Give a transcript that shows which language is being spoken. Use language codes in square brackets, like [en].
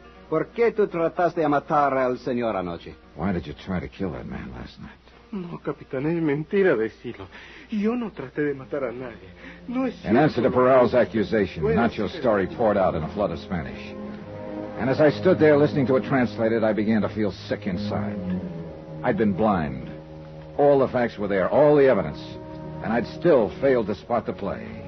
[es] ¿Por qué tú trataste de matar al señor anoche? [en] Why did you try to kill that man last night? [es] No, capitán, es mentira decirlo. Yo no traté de matar a nadie. No es. [en] In answer to Peral's accusation, Nacho's story poured out in a flood of Spanish. And as I stood there listening to it translated, I began to feel sick inside. I'd been blind. All the facts were there, all the evidence. And I'd still failed to spot the play.